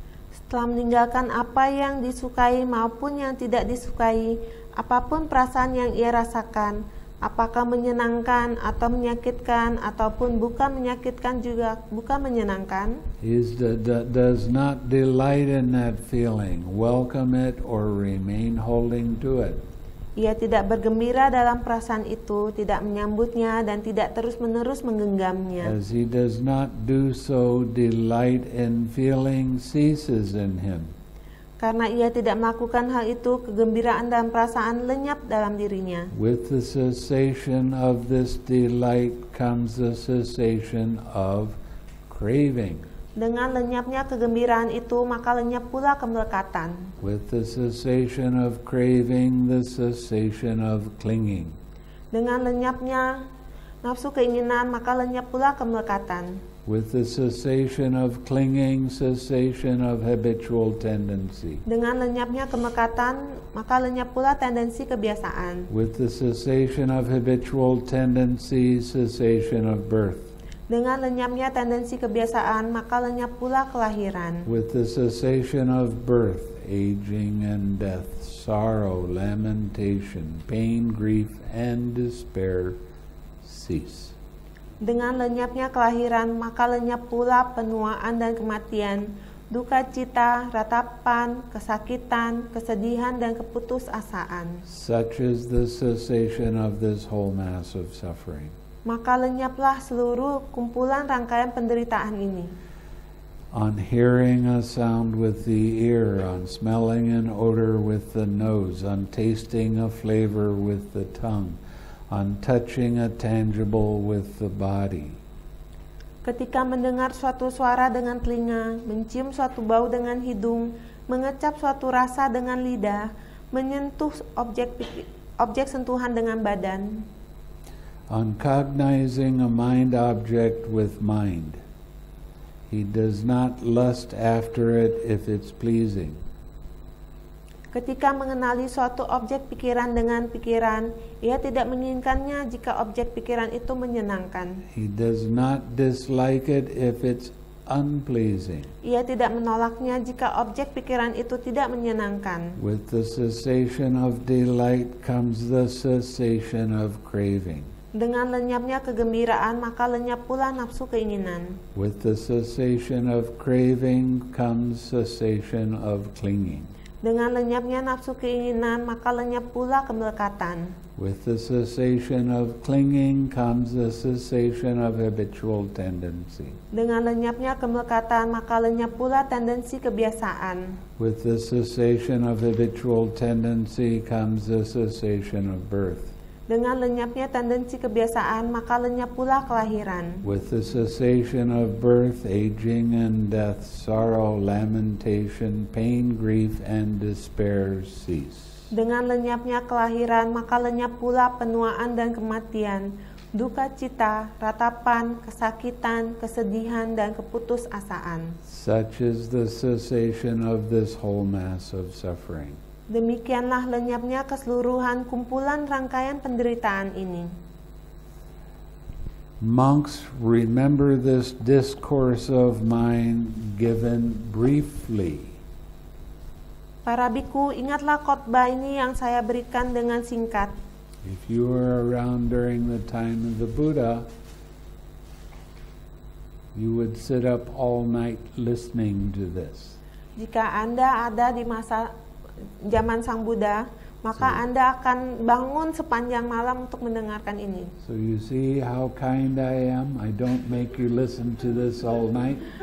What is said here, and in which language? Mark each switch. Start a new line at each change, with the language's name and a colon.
Indonesian: Setelah meninggalkan apa yang disukai maupun yang tidak disukai, apapun perasaan yang ia rasakan, apakah menyenangkan atau menyakitkan ataupun bukan menyakitkan juga bukan menyenangkan.
English: He does not delight in that feeling, welcome it or remain holding to it.
Indonesian: Ia tidak bergembira dalam perasaan itu, tidak menyambutnya dan tidak terus-menerus menggenggamnya.
English: As he does not do so, delight in feeling ceases in him.
Indonesian: Karena ia tidak melakukan hal itu, kegembiraan dan perasaan lenyap dalam dirinya.
English: With the cessation of this delight comes the cessation of craving.
Indonesian: Dengan lenyapnya kegembiraan itu, maka lenyap pula kemelekatan.
English: With the cessation of craving, the cessation of clinging.
Indonesian: Dengan lenyapnya nafsu keinginan, maka lenyap pula kemelekatan.
English: With the cessation of clinging, cessation of habitual tendency.
Indonesian: Dengan lenyapnya kemelekatan, maka lenyap pula tendensi kebiasaan.
English: With the cessation of habitual tendency, cessation of birth.
Indonesian: Dengan lenyapnya tendensi kebiasaan, maka lenyap pula kelahiran.
English: With the cessation of birth, aging and death, sorrow, lamentation, pain, grief, and despair cease.
Indonesian: Dengan lenyapnya kelahiran, maka lenyap pula penuaan dan kematian, duka cita, ratapan, kesakitan, kesedihan, dan keputusasaan.
English: Such is the cessation of this whole mass of suffering.
Indonesian: Maka lenyaplah seluruh kumpulan rangkaian penderitaan ini.
English: On hearing a sound with the ear, on smelling an odor with the nose, on tasting a flavor with the tongue, on touching a tangible with the body.
Indonesian: Ketika mendengar suatu suara dengan telinga, mencium suatu bau dengan hidung, mengecap suatu rasa dengan lidah, menyentuh objek sentuhan dengan badan.
English: On cognizing a mind object with mind, he does not lust after it if it's pleasing.
Indonesian: Ketika mengenali suatu objek pikiran dengan pikiran, ia tidak menginginkannya jika objek pikiran itu menyenangkan.
English: He does not dislike it if it's unpleasing.
Indonesian: Ia tidak menolaknya jika objek pikiran itu tidak menyenangkan.
English: With the cessation of delight comes the cessation of craving.
Indonesian: Dengan lenyapnya kegembiraan, maka lenyap pula nafsu keinginan.
English: With the cessation of craving comes cessation of clinging.
Indonesian: Dengan lenyapnya nafsu keinginan, maka lenyap pula kemelekatan.
English: With the cessation of clinging comes the cessation of habitual tendency.
Indonesian: Dengan lenyapnya kemelekatan, maka lenyap pula tendensi kebiasaan.
English: With the cessation of habitual tendency comes the cessation of birth.
Indonesian: Dengan lenyapnya tendensi kebiasaan, maka lenyap pula kelahiran.
English: With the cessation of birth, aging and death, sorrow, lamentation, pain, grief, and despair cease.
Indonesian: Dengan lenyapnya kelahiran, maka lenyap pula penuaan dan kematian, duka cita, ratapan, kesakitan, kesedihan, dan keputusasaan.
English: Such is the cessation of this whole mass of suffering.
Indonesian: Demikianlah lenyapnya keseluruhan kumpulan rangkaian penderitaan ini.
English: Monks, remember this discourse of mine given briefly.
Indonesian: Para bhikkhu, ingatlah khotbah ini yang saya berikan dengan singkat.
English: If you were around during the time of the Buddha, you would sit up all night listening to this.
Indonesian: Jika Anda ada di masa zaman Sang Buddha, maka so, Anda akan bangun sepanjang malam untuk mendengarkan ini.
English: So you see how kind I am. I don't make you listen to this all night.